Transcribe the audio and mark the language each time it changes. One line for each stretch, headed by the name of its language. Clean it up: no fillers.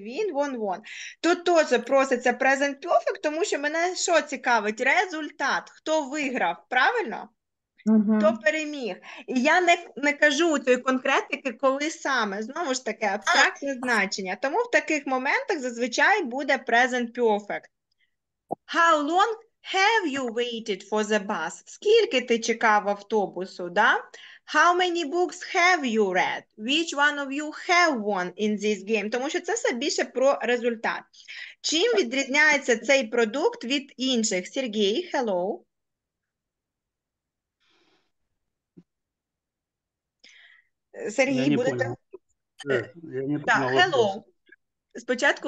Ukrainian: Він, won. Тут теж проситься present perfect, тому що мене що цікавить? Результат. Хто виграв, правильно? Uh-huh. Хто переміг? І я не кажу тої конкретики, коли саме. Знову ж таки, абстрактне значення. Тому в таких моментах зазвичай буде present perfect.
English: How long have you waited for the bus?
Ukrainian: Скільки ти чекав автобусу, да?
English: How many books have you read? Which one of you have won in this game?
Ukrainian: Тому що це все більше про результат. Чим відрізняється цей продукт від інших? Сергій, hello. Сергій, будете? Я не так, hello. Спочатку